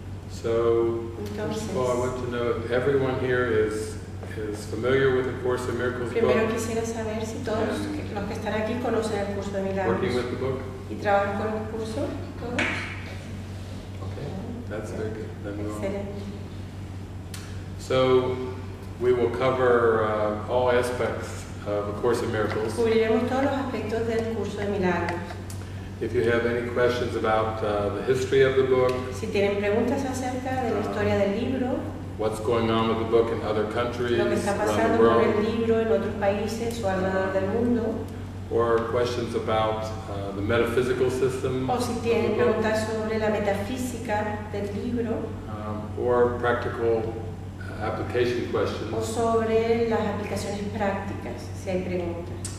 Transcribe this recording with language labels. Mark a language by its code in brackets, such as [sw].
[en] So, first of all, I want to know if everyone here is familiar with the Course in Miracles book. [es] Primero quisiera saber si todos los que están aquí conocen el curso de milagros. [en] Working with the book. [es] Y trabajan con el curso todos. [en] Okay, that's very good. Then we'll. [es] Excelente. [en] So, we will cover all aspects of the Course in Miracles. [es] Cubriremos todos los aspectos del curso de milagros. [en] If you have any questions about the history of the book, [es] si tienen preguntas acerca de la historia del libro, [en] what's going on with the book in other countries, [es] lo que está pasando [en] around the world, [es] con el libro en otros países o alrededor del mundo, [en] or questions about the metaphysical system, [es] o si tienen preguntas sobre la metafísica del libro, [en] or practical application questions, [es] o sobre las aplicaciones prácticas, si hay preguntas.